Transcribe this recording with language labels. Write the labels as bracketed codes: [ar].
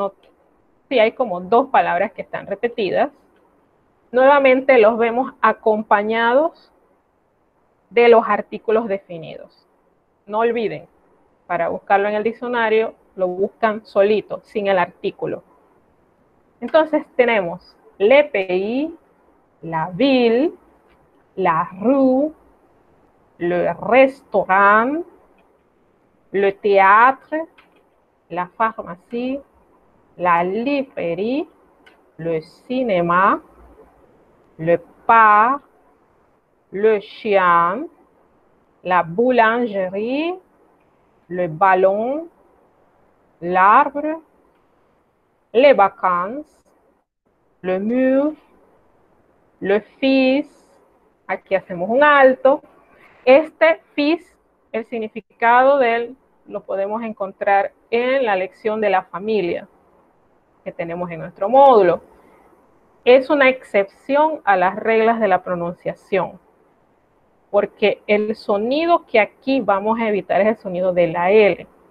[es] No, sí, hay como dos palabras que están repetidas. Nuevamente los vemos acompañados de los artículos definidos. No olviden, para buscarlo en el diccionario, lo buscan solito, sin el artículo. Entonces tenemos [fr] le pays, la ville, la rue, le restaurant, le théâtre, la pharmacie, la librairie, le cinéma, le parc, le chien, la boulangerie, le ballon, l'arbre, les vacances, le mur, le fils. [es] Aquí hacemos un alto. Este fils, el significado de él, lo podemos encontrar en la lección de la familia que tenemos en nuestro módulo. Es una excepción a las reglas de la pronunciación, porque el sonido que aquí vamos a evitar es el sonido de la L.